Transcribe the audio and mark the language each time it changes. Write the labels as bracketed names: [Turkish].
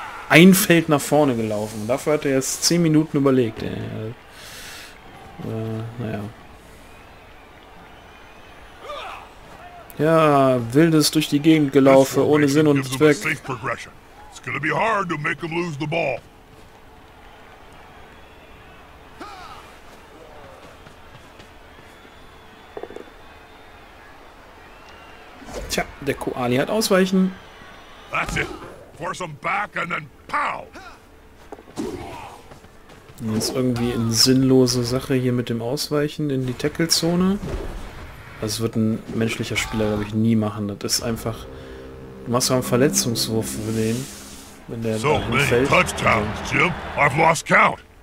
[German] Ein Feld nach vorne gelaufen. Dafür hat er jetzt 10 Minuten überlegt. Naja. Ja, wildes durch die Gegend gelaufen, ohne Sinn und Zweck. [English] It's gonna be hard to make them lose the ball. [German] Tja, der Koali hat ausweichen. [English] That's it. Force him back and then pow. [German] Das ist irgendwie eine sinnlose Sache hier mit dem Ausweichen in die Tackle-Zone. Das wird ein menschlicher Spieler, glaube ich, nie machen. Das ist einfach... Du machst doch einen Verletzungswurf für den, wenn der so da hinfällt. [English] Touchdowns, Jim. I've lost count.